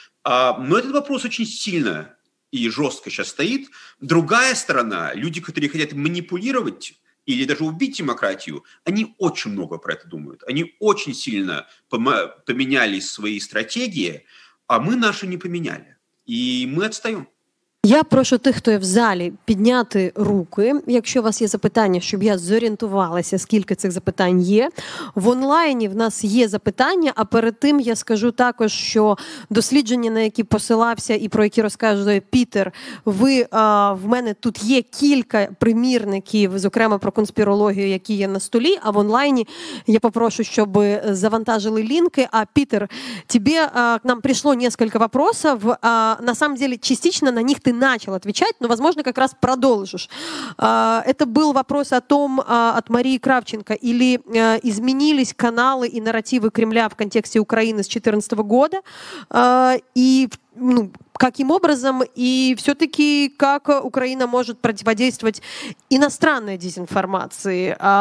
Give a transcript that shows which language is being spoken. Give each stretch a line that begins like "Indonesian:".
Russian: Но этот вопрос очень сильно и жестко сейчас стоит. Другая сторона, люди, которые хотят манипулировать или даже убить демократию, они очень много про это думают. Они очень сильно поменяли свои стратегии, а мы наши не поменяли. И мы отстаем.
Ukrainian: Я прошу тих, хто є в залі, підняти руки, якщо у вас є запитання, щоб я зорієнтувалася, скільки цих запитань є. В онлайні в нас є запитання, а перед тим я скажу також, що дослідження, на які посилався і про які розказує Пітер, в мене тут є кілька примірників, зокрема про конспірологію, які є на столі, а в онлайні я попрошу, щоб завантажили лінки.
Russian: А Пітер,
Ukrainian: тобі
Russian: к нам
Ukrainian: прийшло кілька
Russian: вопросів, на самом деле частично на них ты начал отвечать, но, возможно, как раз продолжишь. Это был вопрос о том, от Марии Кравченко, или изменились каналы и нарративы Кремля в контексте Украины с 2014 года, и ну, каким образом, и все-таки как Украина может противодействовать иностранной дезинформации.